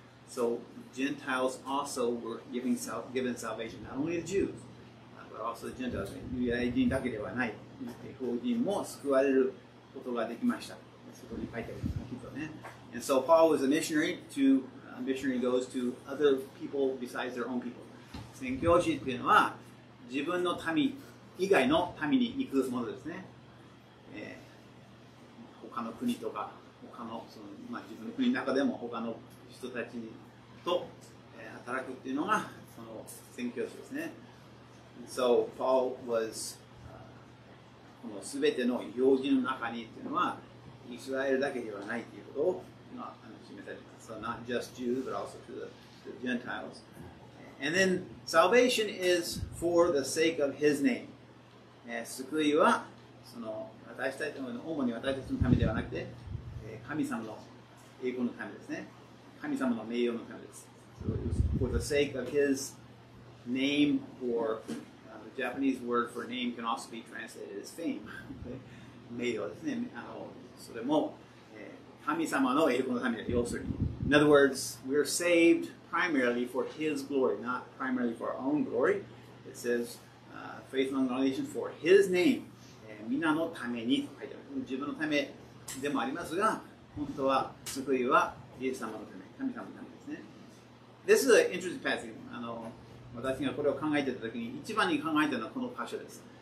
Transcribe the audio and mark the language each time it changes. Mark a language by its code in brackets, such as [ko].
[en] So, Gentiles also were given salvation, not only the Jews, but also the Gentiles. [ja] ユダヤ人だけではない。異邦人も救われることができました。そこに書いてあります。きっとね。 [en] And so, Paul was a missionary to, a missionary goes to other people besides their own people. [ja] 宣教師というのは、自分の民以外の民に行くものですね。他の国とか他のその、まあ、自分の国の中でも他の人たちと、働くっていうのがその宣教師ですね。 [en] So Paul was [ja] この全ての要人の中にっていうのはイスラエルだけではないっていうことを、まあ、示されています。 [en] So not just Jews but also to the Gentiles. And then salvation is for the sake of his name. [ja] 救いはその私たちの主に私たちのためではなくて、神様の栄光のためですね。神様の名誉のためです。 [en] So、for the sake of his name, or、the Japanese word for name can also be translated as fame. [ja] 名誉ですね。それも、神様の栄光のためです。要するに。 [en] In other words, we are saved primarily for his glory, not primarily for our own glory. It says,、faith among the nations for his name. [ja] みんなのためにと書いてある。自分のためでもありますが、本当は救いはイエス様のため、神様のためですね。 [en] This is an interesting passage. [ja] 私がこれを考えていたときに、一番に考えたのはこの箇所です。